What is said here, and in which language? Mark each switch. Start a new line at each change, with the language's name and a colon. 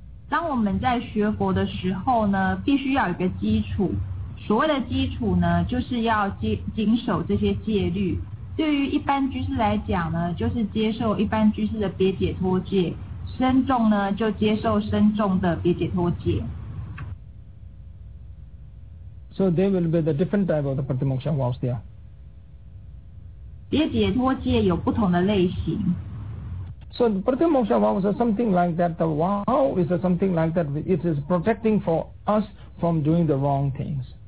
Chinese: 当我们在学佛的时候呢，必须要有一个基础。所谓的基础呢，就是要经守这些戒律。对于一般居士来讲呢，就是接受一般居士的别解脱戒；身众呢，就接受身众的别解脱戒。
English: So there will be the different type of the pratimoksha vows there.
Chinese: 别解脱戒有不同的类型。
English: So the pratimoksha vow is something like that. The vow is something like that. It is protecting for us from doing the wrong things.